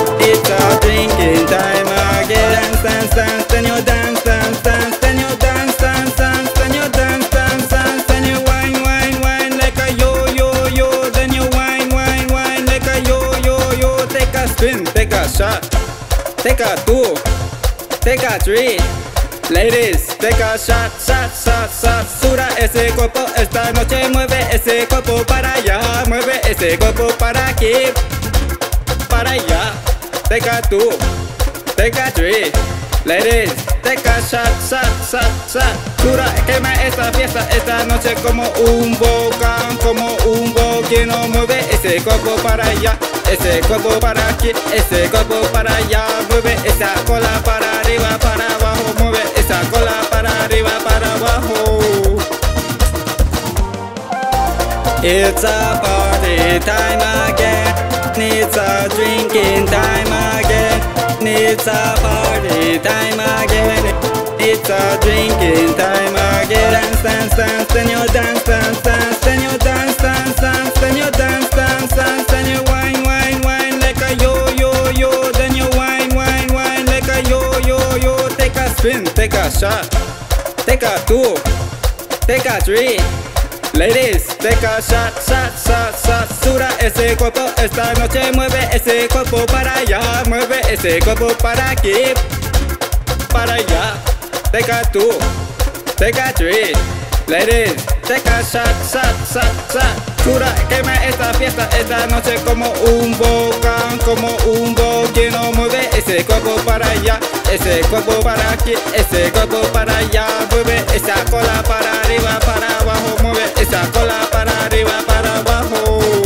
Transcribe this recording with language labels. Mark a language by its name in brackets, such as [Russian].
[English] It's a drinking time again. Dance, dance, dance, then you dance, dance, dance, then you dance, dance, dance, then you dance, dance, dance, then you wine, wine, wine like a yo, yo, yo. Then you wine, wine, wine like a yo, yo, yo. Take a spin, take a shot. Take a two. Take a three. Ladies, take a shot, shot, shot, shot. [Spanish] Sura ese cuerpo esta noche. Mueve ese cuerpo para allá. Mueve ese cuerpo para aquí. Para allá. [English] Take a two. Take a three. Ladies, take a shot, shot, shot, shot. [Spanish] Sura, quema esa fiesta esta noche. Como un volcán, como un volcano. Mueve ese cuerpo para allá. Ese cuerpo para aquí. Ese cuerpo para allá. Mueve esa cola para arriba, para abajo. Mueve esa cola para arriba, para abajo. [English] It's a party time again. It's a drinking time again. It's a party time again. It's a drinking time again. Dance, dance, dance, then you dance, dance, dance. Then you dance, dance, dance, then you dance, dance, dance. Then you wine, wine, wine like a yo, yo, yo. Then you wine, wine, wine like a yo, yo, yo. Take a spin, take a shot. Take a two. Take a three. Ladies, take a shot, shot, shot, shot. [Spanish] Sura ese cuerpo esta noche. Mueve ese cuerpo para allá. Mueve ese cuerpo para aquí. Para allá. [English] Take a two. Take a three. Ladies, take a shot, shot, shot, shot. [Spanish] Sura, quema esta fiesta esta noche. Como un volcán, como un volcán. Mueve ese cuerpo para allá. Ese cuerpo para aquí. Ese cuerpo para allá. Mueve esa cola para arriba, para abajo. Mueve esa cola para arriba, para abajo.